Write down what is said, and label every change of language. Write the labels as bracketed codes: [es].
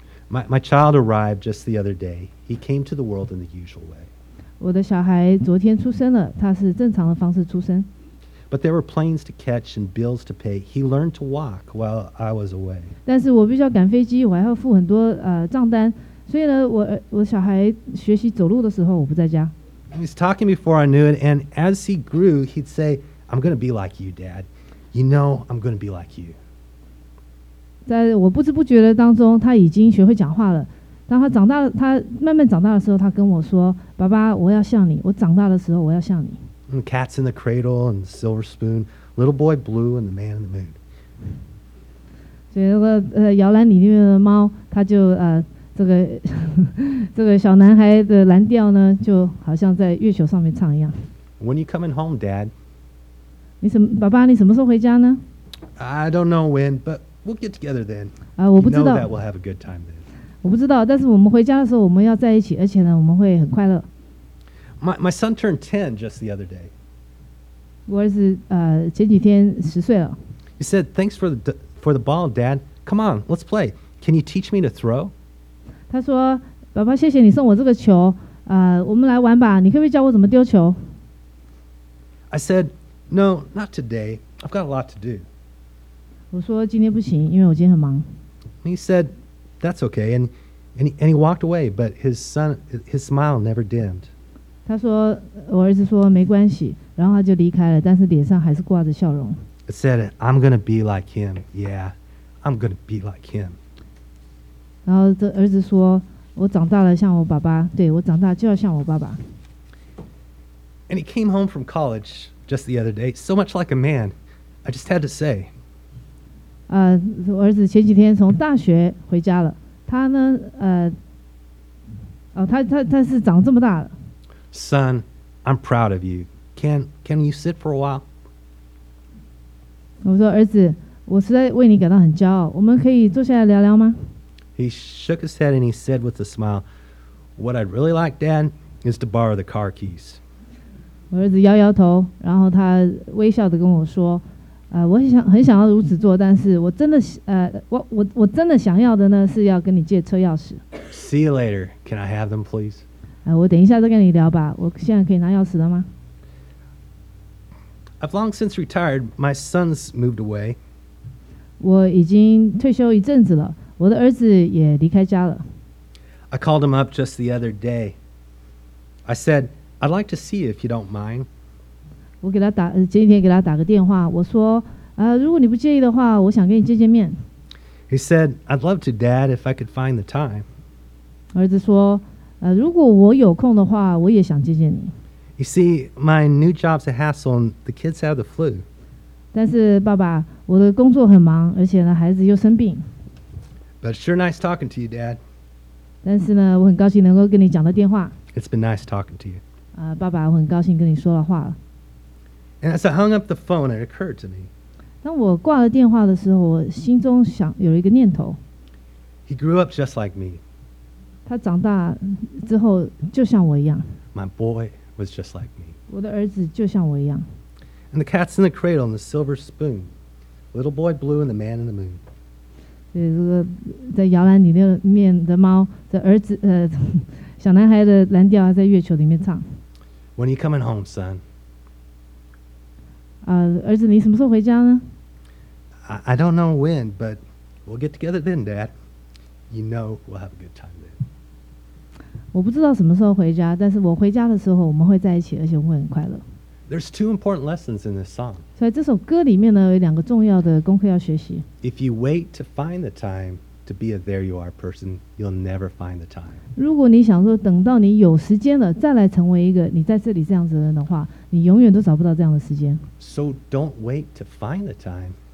[en] My child arrived just the other day. He came to the world in the usual way. [zh] 我的小孩昨天出生了，他是正常的方式出生。 [en] But there were planes to catch and bills to pay. He learned to walk while I was away. [zh] 但是我必须要赶飞机，我还要付很多账单，所以呢，我小孩学习走路的时候我不在家。 [en] He was talking before I knew it, and as he grew, he'd say, "I'm going to be like you, Dad. You know, I'm going to be like you." [zh] 在我不知不觉的当中，他已经学会讲话了。当他长大，他慢慢长大的时候，他跟我说：“爸爸，我要像你。我长大的时候，我要像你。” [en] And the cat's in the cradle and the silver spoon, little boy blue and the man in the moon. [zh] 所以那个摇篮里面的猫，他就这个小男孩的蓝调呢，就好像在月球上面唱一样。 [en] When you coming home, Dad? [zh] 你什么，爸爸？你什么时候回家呢 [en] ？I don't know when, but We'll get together then. [zh] 我不知道。 [en] You know that we'll have a good time then. [zh] 我不知道，但是我们回家的时候我们要在一起，而且呢，我们会很快乐。 [en] My son turned 10 just the other day. [zh] 我儿子前几天十岁了。 [en] He said, thanks for the ball, Dad. Come on, let's play. Can you teach me to throw? [zh] 他说，爸爸，谢谢你送我这个球。我们来玩吧，你可不可以教我怎么丢球？ [en] I said, no, not today. I've got a lot to do. [zh] 我说今天不行，因为我今天很忙。 [en] And he said, that's okay. And he walked away, but his smile never dimmed. [zh] 他说，我儿子说没关系，然后他就离开了，但是脸上还是挂着笑容。 [en] I said, I'm going to be like him. Yeah, I'm going to be like him. [zh] 然后这儿子说，我长大了像我爸爸，对，我长大就要像我爸爸。 [en] And he came home from college just the other day, so much like a man. I just had to say. [zh] 我儿子前几天从大学回家了，他呢，他是长这么大了。 [en] Son, I'm proud of you. Can you sit for a while? [zh] 我说儿子，我实在为你感到很骄傲。我们可以坐下来聊聊吗 [en] ？He shook his head and he said with a smile, "What I'd really like, Dad, is to borrow the car keys." [zh] 我儿子摇摇头，然后他微笑地跟我说，我很想要如此做，但是我真的我真的想要的呢，是要跟你借车钥匙。 [en] See you later. Can I have them, please? [zh] 我等一下再跟你聊吧。我现在可以拿钥匙了吗？ [en] I've long since retired. My son's moved away. [zh] 我已经退休一阵子了，我的儿子也离开家了。 [en] I called him up just the other day. I said, I'd like to see you if you don't mind. [zh] 我给他打，前几天给他打个电话，我说，如果你不介意的话，我想跟你见见面。 [en] He said, I'd love to, Dad, if I could find the time. [zh] 儿子说，如果我有空的话，我也想见见你。 [en] You see, my new job's a hassle, and the kids have the flu. [zh] 但是爸爸，我的工作很忙，而且呢，孩子又生病。 [en] But sure nice talking to you, Dad. [zh] 但是呢，我很高兴能够跟你讲的电话。 [en] It's been nice talking to you. [zh] 爸爸，我很高兴跟你说了话了。 [en] And as I hung up the phone, it occurred to me. [zh] 当我挂了电话的时候，我心中想有一个念头。 [en] He grew up just like me. [zh] 他长大之后就像我一样。 [en] My boy. Was just like me. [zh] 我的儿子就像我一样。 [en] And the cat's in the cradle and the silver spoon, little boy blue and the man in the moon. [zh] 对，这个在摇篮里面的猫，这儿子小男孩的蓝调在月球里面唱。 [en] When are you coming home, son? [zh] 儿子，你什么时候回家呢 [en] ？I don't know when, but we'll get together then, Dad. You know we'll have a good time. [zh] 我不知道什么时候回家，但是我回家的时候，我们会在一起，而且我们会很快乐。 [en] There's two important lessons in this song. [zh] 所以这首歌里面呢，有两个重要的功课要学习。 [en] If you wait to find the time to be a there you are person, you'll never find the time. [zh] 如果你想说等到你有时间了再来成为一个你在这里这样子的人的话，你永远都找不到这样的时间。 [en] So don't wait to find the time.